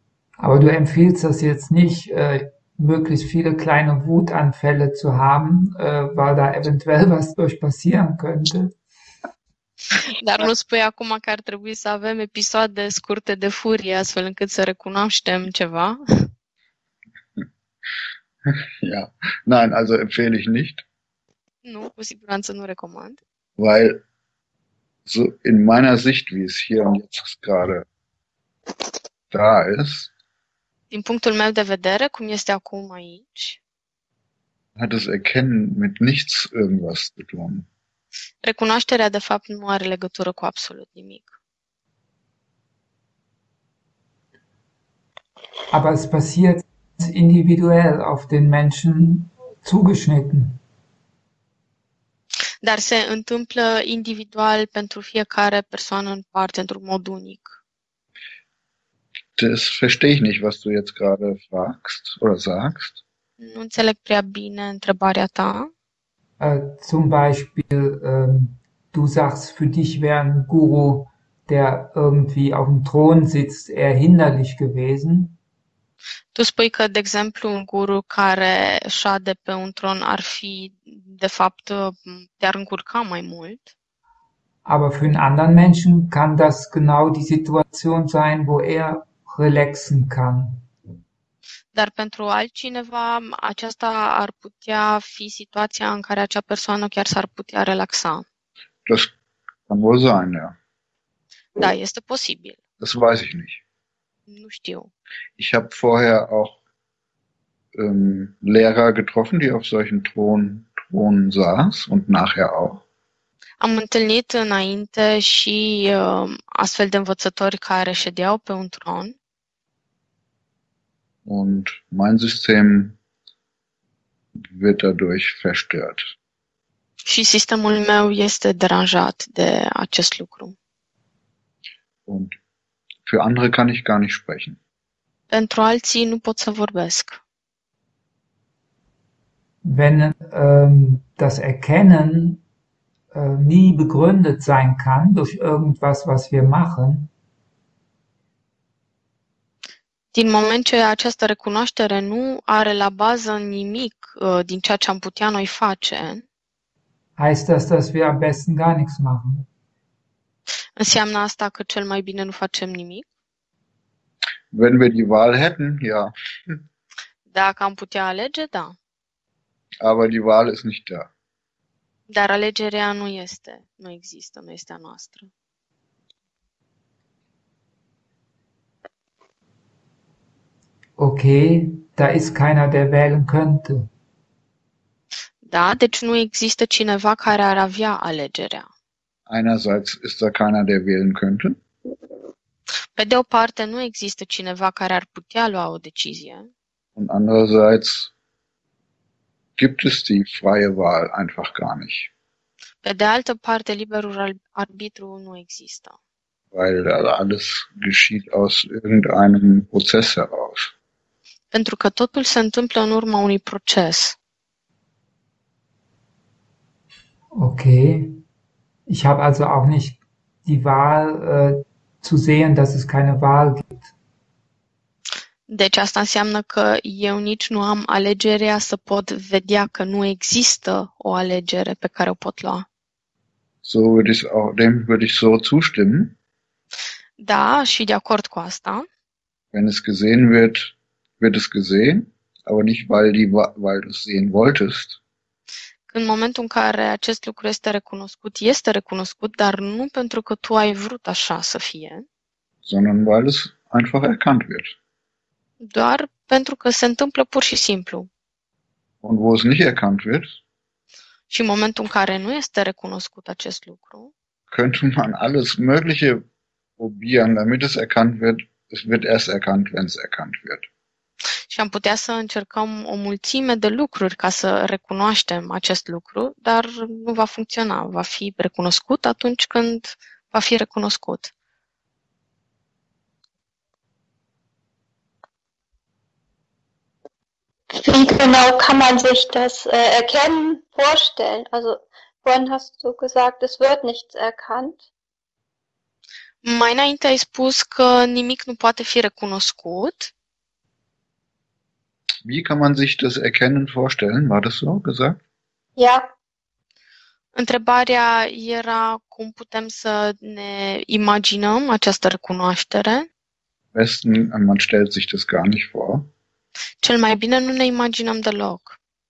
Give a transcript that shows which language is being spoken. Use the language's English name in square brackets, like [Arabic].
[German] Aber du empfiehlst das jetzt nicht, möglichst viele kleine Wutanfälle zu haben, weil da eventuell was durch passieren könnte. [Romanian] Dar nu spui acum că ar trebui să avem episoade scurte de furie, astfel încât să recunoaștem ceva? [German] Ja, nein, also empfehle ich nicht. [Romanian] Nu, cu siguranță nu recomand. [German] Weil so in meiner Sicht, wie es hier und jetzt gerade da ist, [Romanian] Din punctul meu de vedere, cum este acum aici, [German] hat das Erkennen mit nichts irgendwas zu tun. [Romanian] recunoașterea de fapt nu are legătură cu absolut nimic. [German] Aber es passiert individuell auf den Menschen zugeschnitten. [Romanian] Dar se întâmplă individual pentru fiecare persoană în parte, într-un mod unic. [German] Das verstehe ich nicht, was du jetzt gerade fragst oder sagst. [Romanian] Nu înțeleg prea bine întrebarea ta. [German] Zum Beispiel, du sagst, für dich wäre ein Guru, der irgendwie auf dem Thron sitzt, eher hinderlich gewesen. [Romanian] Tu spui că, de exemplu, un guru care șade pe un tron ar fi, de fapt, te-ar încurca mai mult? [German] Aber für einen anderen Menschen kann das genau die Situation sein, wo er relaxen kann. [Romanian] Dar pentru altcineva, aceasta ar putea fi situația în care acea persoană chiar s-ar putea relaxa. [German] Das kann wohl sein, ja. [Romanian] Da, este posibil. [German] Das weiß ich nicht. [Romanian] Nu știu. [German] Ich habe vorher auch Lehrer getroffen, die auf solchen Thronen saß und nachher auch. [Romanian] Am întâlnit înainte și astfel de învățători care ședeau pe un tron. [German] Und mein System wird dadurch verstört. [Romanian] Și sistemul meu este deranjat de acest lucru. [German] Und für andere kann ich gar nicht sprechen. [Romanian] Pentru alții nu pot să vorbesc. [German] Wenn das Erkennen nie begründet sein kann durch irgendwas, was wir machen, [Romanian] Din moment ce această recunoaștere nu are la bază nimic din ceea ce am putea noi face, [German] heißt das, dass wir am besten gar nichts machen. [Romanian] înseamnă asta că cel mai bine nu facem nimic? [German] Wenn wir die Wahl hätten, ja. [Romanian] Dacă am putea alege, da. [German] Aber die Wahl ist nicht da. [Romanian] Dar alegerea nu este, nu există, nu este a noastră. [German] Okay, da ist keiner, der wählen könnte. [Romanian] Da, deci nu există cineva care ar avea alegerea. [German] Einerseits ist da keiner, der wählen könnte. [Romanian] Pe de o parte, nu există cineva care ar putea lua o decizie. [German] Und andererseits gibt es die freie Wahl einfach gar nicht. [Romanian] Pe de altă parte, liberul arbitru nu există. [German] Weil da alles geschieht aus irgendeinem Prozess heraus. [Romanian] Pentru că totul se întâmplă în urma unui proces. [German] Okay. Ich habe also auch nicht die Wahl, zu sehen, dass es keine Wahl gibt. [Romanian] Deci asta înseamnă că eu nici nu am alegerea să pot vedea că nu există o alegere pe care o pot lua. [German] So würde ich auch, dem würde ich so zustimmen. [Romanian] Da, și de acord cu asta. [German] Wenn es gesehen wird, wird es gesehen, aber nicht weil du es sehen wolltest. [Romanian] În momentul în care acest lucru este recunoscut, este recunoscut, dar nu pentru că tu ai vrut așa să fie. [German] Sondern weil es einfach erkannt wird. [Romanian] Doar pentru că se întâmplă pur și simplu. [German] Und wo es nicht erkannt wird, [Romanian] Și în momentul în care nu este recunoscut acest lucru, [German] könnte man alles Mögliche probieren, damit es erkannt wird. Es wird erst erkannt, wenn es erkannt wird. [Romanian] și am putea să încercăm o mulțime de lucruri ca să recunoaștem acest lucru, dar nu va funcționa. Va fi recunoscut atunci când va fi recunoscut. [German] Wie genau kann man sich das Erkennen vorstellen? Also, vorhin hast du gesagt, es wird nichts erkannt. [Romanian] Mai înainte ai spus că nimic nu poate fi recunoscut. [German] Wie kann man sich das Erkennen vorstellen? War das so gesagt? Ja. [Romanian] Întrebarea era cum putem să ne imaginăm această recunoaștere. [German] Besten, man stellt sich das gar nicht vor. [Romanian] Cel mai bine nu ne imaginăm deloc.